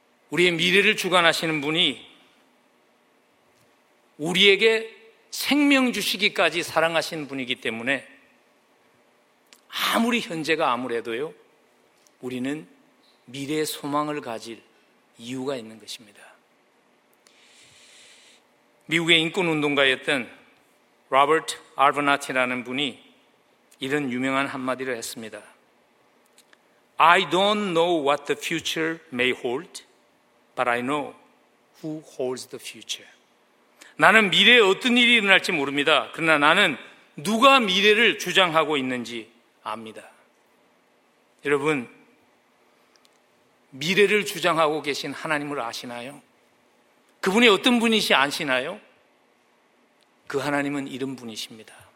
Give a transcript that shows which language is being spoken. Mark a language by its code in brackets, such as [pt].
[ko] 우리의 미래를 주관하시는 분이 우리에게 생명 주시기까지 사랑하신 분이기 때문에 아무리 현재가 아무래도요, 우리는 미래의 소망을 가질 이유가 있는 것입니다. 미국의 인권운동가였던 로버트 알버나티라는 분이 이런 유명한 한마디를 했습니다. [en] I don't know what the future may hold, but I know who holds the future. [ko] 나는 미래에 어떤 일이 일어날지 모릅니다. 그러나 나는 누가 미래를 주장하고 있는지 압니다. 여러분, 미래를 주장하고 계신 하나님을 아시나요? 그분이 어떤 분이시 아시나요? 그 하나님은 이런 분이십니다.